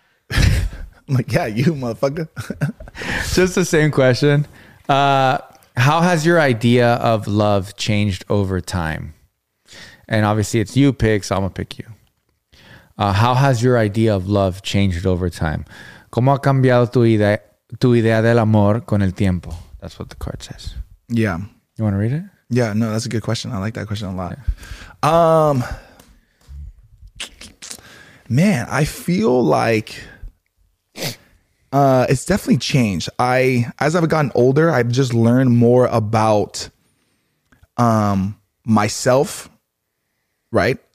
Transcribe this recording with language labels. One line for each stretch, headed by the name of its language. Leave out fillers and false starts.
English: I'm like, yeah, you motherfucker. Just the same question. How has your idea of love changed over time? And obviously it's you pick, so I'm going to pick you. How has your idea of love changed over time?
Spanish: ¿Cómo ha cambiado tu idea del amor con el tiempo?
English: That's what the card says. Yeah. You want to read it? Yeah, no, that's a good question. I like that question a lot. Yeah. Man, I feel like it's definitely changed. As I've gotten older, I've just learned more about myself, right?